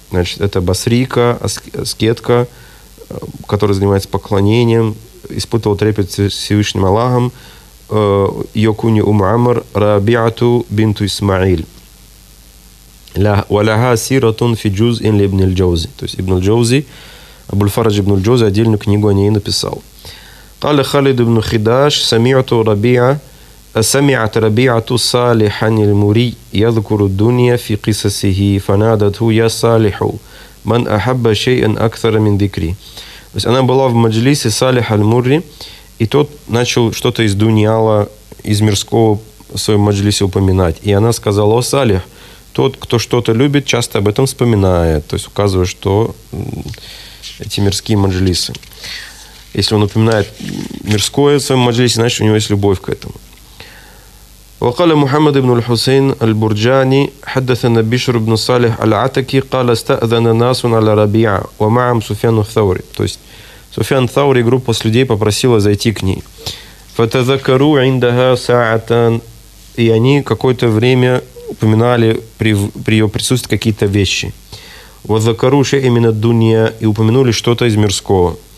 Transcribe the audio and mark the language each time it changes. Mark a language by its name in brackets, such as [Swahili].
[Russian] Значит, это басрийка, аскетка, которая занимается поклонением, испытывал трепет Всевышним Аллахом, Йокуни ум-Амр, Рабиату бинту Исмаиль. [Arabic] «Валяха сиратун фи джузин ли ибн-Джоузи». [Russian] То есть ибн-Джоузи, Абуль-Фарадж ибн-Джоузи отдельную книгу о ней написал. [Arabic] «Кали Халид ибн-Хидаш, самиату Рабиа». سمعت ربيعة صالحا المري يذكر الدنيا في قصصه فنادته يا صالح من أحب شيئا أكثر من ذكري. [Russian] То есть она была в маджлисе Салиха аль-Мурри, и тот начал что-то из дуньяла, из мирского в своем маджлисе упоминать. И она сказала: «О, Салих, тот, кто что-то любит, часто об этом вспоминает». То есть указывая, что эти мирские маджлисы. Если он упоминает мирское в своем маджлисе, значит, у него есть любовь к этому. [Arabic] وقال محمد بن الحسين البرجاني حدثنا بشر بن صالح العتكي قال استأذن الناس على ربيعة ومعهم سفيان الثوري. [Russian] То есть Суфьян Саури, группа с людей, попросила зайти к ней. [Arabic] فتذكروا عندها ساعة, [Russian] и они какое-то время упоминали при ее присутствии какие-то вещи. [Arabic] وذكروا شيئا من الدنيا, [Russian] и упомянули что-то из мирского.